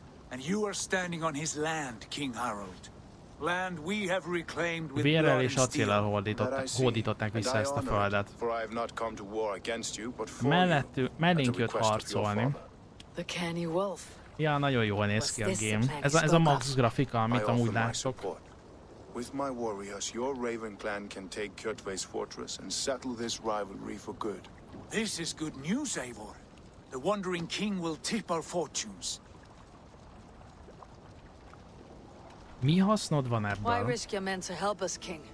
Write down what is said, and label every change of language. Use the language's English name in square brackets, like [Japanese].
[English] And you are standing on his land, King Harald. Land we have reclaimed with blood and steel. [Hungarian] Vérrel és acéllel hódították vissza ezt a földet. [English] For I have not come to war against you, but for [Hungarian] you. Mellénk jött harcolni. [English] The canny wolf. [Hungarian] Ja, nagyon jól néz ki a game. Ez a max grafika, amit amúgy látok. [English] With my warriors, your Raven Clan can take Kjotve's fortress and settle this rivalry for good. This is good news, Eivor. The Wandering King will tip our fortunes. [Hungarian] Mi hasznod van ebből? [English] Why risk your men to help us, King?